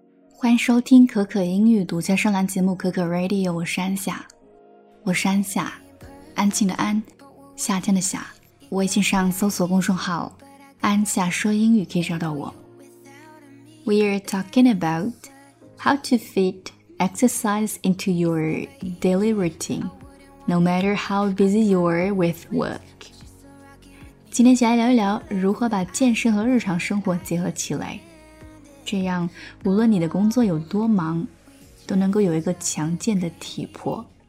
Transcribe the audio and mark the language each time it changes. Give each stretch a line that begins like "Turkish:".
Chinese: 欢迎收听可可英语独家专栏节目可可 Radio， 我是安夏。我是安夏，安静的安，夏天的夏。微信上搜索公众号安夏说英语可以找到我。
English: We are talking about how to fit exercise into your daily routine no matter how busy you are with work。
Chinese: 今天想来聊一聊如何把健身和日常生活结合起来，这样无论你的工作有多忙，都能够有一个强健的体魄。